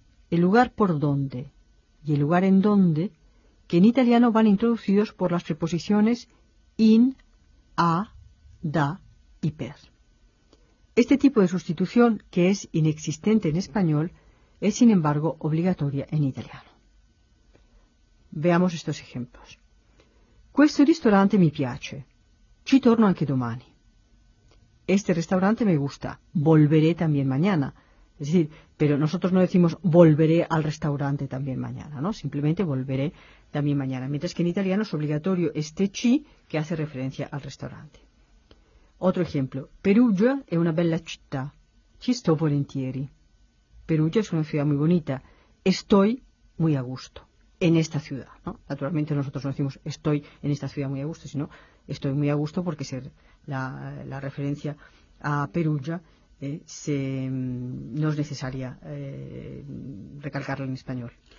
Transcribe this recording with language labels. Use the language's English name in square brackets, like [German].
[Spanish] el lugar por donde y el lugar en donde, que en italiano van introducidos por las preposiciones in, a, da y per. Este tipo de sustitución, que es inexistente en español, es sin embargo obligatoria en italiano. Veamos estos ejemplos. [Italian] Questo ristorante mi piace. Ci torno anche domani. [Spanish] Este restaurante me gusta. Volveré también mañana. Es decir, pero nosotros no decimos volveré al restaurante también mañana, ¿no? Simplemente volveré también mañana. Mientras que en italiano es obligatorio este ci que hace referencia al restaurante. Otro ejemplo. [Italian] Perugia es una bella città. Ci sto volentieri. [Spanish] Perugia es una ciudad muy bonita. Estoy muy a gusto en esta ciudad, ¿no? Naturalmente nosotros no decimos estoy en esta ciudad muy a gusto, sino estoy muy a gusto porque ser la referencia a Perugia no es necesaria recalcarla en español.